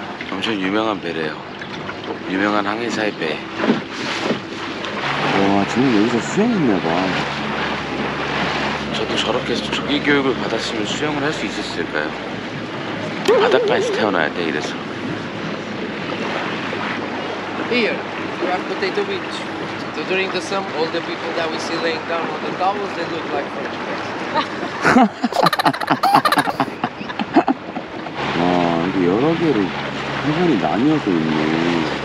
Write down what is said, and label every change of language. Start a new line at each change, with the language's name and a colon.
Korean: 엄청 유명한 배래요. 유명한 항해사의 배. 와, 저는 여기서 수영했나 봐. 저도 저렇게 조기 교육을 받았으면 수영을 할 수 있었을까요? 바닷가에서 태어나야 돼 이래서.
English: Here, we are potato beach. So during the summer, all the people that we see laying down on the towels, they look like fish.
Korean: 와, 이게 여러 개로 해변이 나뉘어서 있네.